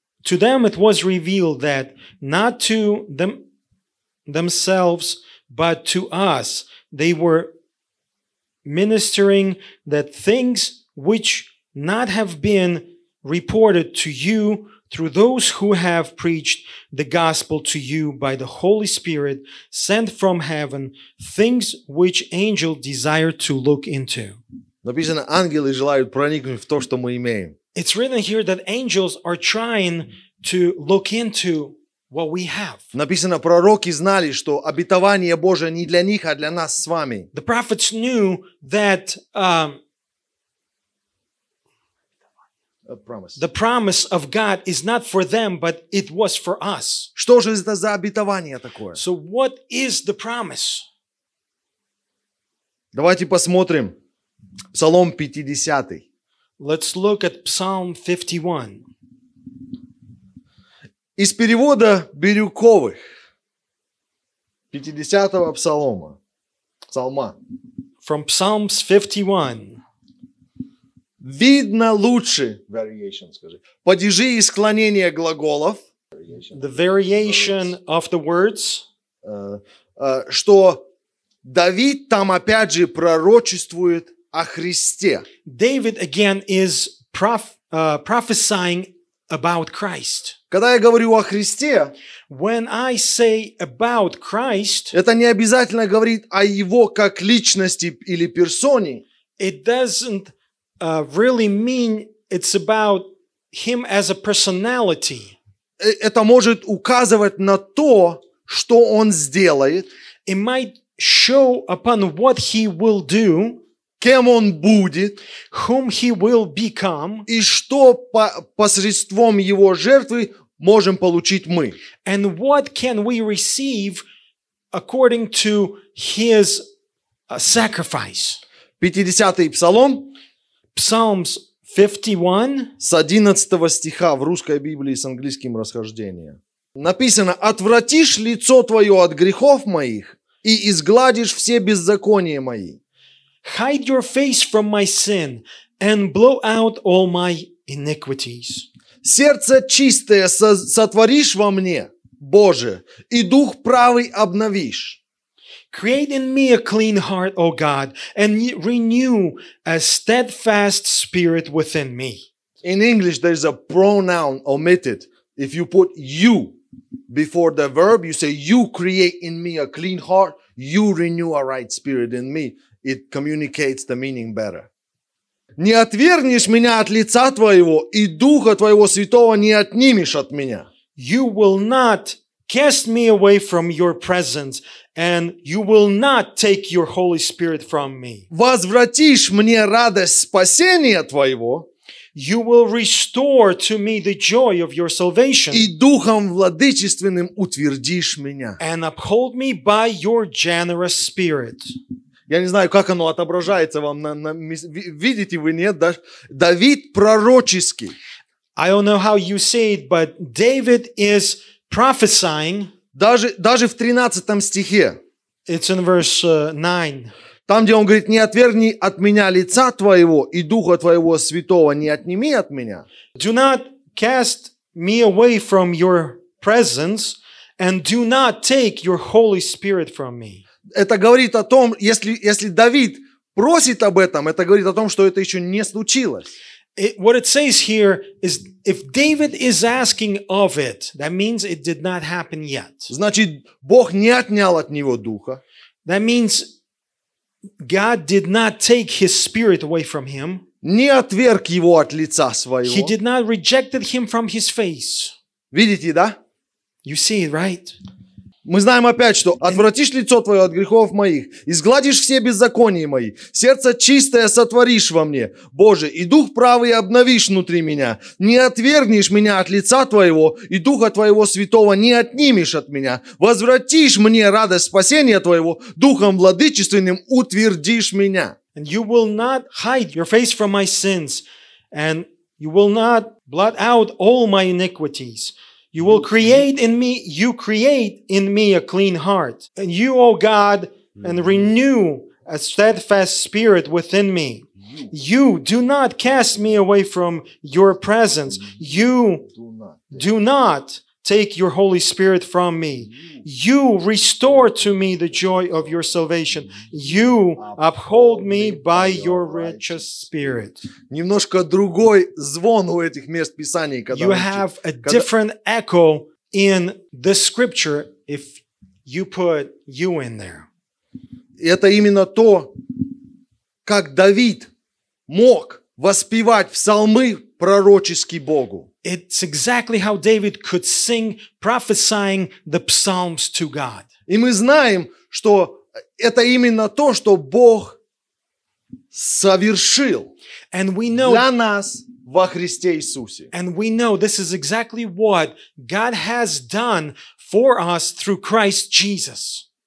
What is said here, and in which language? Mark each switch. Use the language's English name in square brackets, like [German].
[English] To them it was revealed that not to themselves But to us, they were ministering that things which not have been reported to you through those who have preached the gospel to you by the Holy Spirit sent from heaven, things which angels desire to look into. [Russian] Написано, ангелы желают проникнуть в то, что мы имеем. [English] It's written here that angels are trying to look into what we have. [Russian] Написано, пророки знали, что обетование Божие не для них, а для нас с вами. [English] The prophets knew that the promise of God is not for them, but it was for us. [Russian] Что же это за обетование такое? [English] So what is the promise? [Russian] Давайте посмотрим Псалом 50. [English] Let's look at Psalm 51. [Russian] Из перевода Бирюковых 50-го псалома. Псалма. [English] From Psalms 51. [Russian] Видно лучше variation, скажи. Падежи и склонения глаголов. [English] The variation of the words. [Russian] Что Давид там опять же пророчествует о Христе. [English] David again is prophesying about Christ. [Russian] Когда я говорю о Христе, [English] when I say about Christ, [Russian] это не обязательно говорит о Его как личности или персоне. [English] It doesn't really mean it's about Him as a personality. [Russian] Это может указывать на то, что Он сделает. [English] It might show upon what He will do. [Russian] Кем он будет, [English] whom he will become, [Russian] и что посредством его жертвы можем получить мы. [English] And what can we receive according to his sacrifice? [Russian] 50-й псалом, [English] Psalms 51, [Russian] с 11 стиха в русской Библии с английским расхождением. Написано: «Отвратишь лицо твое от грехов моих и изгладишь все беззакония мои». [English] Hide your face from my sin and blow out all my iniquities. [Russian] Сердце чистое сотворишь во мне, Боже, и дух правый обновишь. [English] Create in me a clean heart, O God, and renew a steadfast spirit within me. In English, there is a pronoun omitted. If you put you before the verb, you say, you create in me a clean heart, you renew a right spirit in me. It communicates the meaning better. [Russian] Не отвернешь меня от лица твоего, и духа твоего святого не отнимешь от меня. [English] You will not cast me away from your presence, and you will not take your Holy Spirit from me. [Russian] Возвратишь мне радость спасения твоего. [English] You will restore to me the joy of your salvation. [Russian] И духом владычественным утвердишь меня. [English] And uphold me by your generous spirit. [Russian] Я не знаю, как оно отображается вам. Видите вы, нет? Да? Давид пророческий. [English] I don't know how you say it, but David is prophesying. [Russian] Даже в 13 стихе. [English] It's in verse 9. [Russian] Там, где он говорит, не отверни от меня лица твоего и духа твоего святого, не отними от меня. [English] Do not cast me away from your presence and do not take your Holy Spirit from me. [Russian] Это говорит о том, если Давид просит об этом, это говорит о том, что это еще не случилось. [English] What it says here is, if David is asking of it, that means it did not happen yet. [Russian] Значит, Бог не отнял от него духа. [English] That means God did not take his spirit away from him. [Russian] Не отверг его от лица своего. [English] He did not rejected him from his face. [Russian] Видите, да? [English] You see it, right? [Russian] Мы знаем опять, что «отвратишь лицо твое от грехов моих, изгладишь все беззакония мои, сердце чистое сотворишь во мне, Боже, и дух правый обновишь внутри меня, не отвергнешь меня от лица твоего, и духа твоего святого не отнимешь от меня, возвратишь мне радость спасения твоего, духом владычественным утвердишь меня». [English] And you will not hide your face from my sins, and you will not blot out all my iniquities. You will create in me, you create in me a clean heart. And you, O God, and renew a steadfast spirit within me. You do not cast me away from your presence. You do not take your Holy Spirit from me. You restore to me the joy of your salvation. You uphold me by your righteous spirit. [Russian] Немножко другой звон у этих мест Писаний, когда [English] you have a different echo in the scripture if you put you in there. [Russian] Это именно то, как Давид мог воспевать псалмы пророчески Богу. [English] It's exactly how David could sing, prophesying the psalms to God. [Russian] И мы знаем, что это именно то, что Бог совершил для нас во Христе Иисусе. [English] And we know this is exactly what God has done for us through Christ Jesus.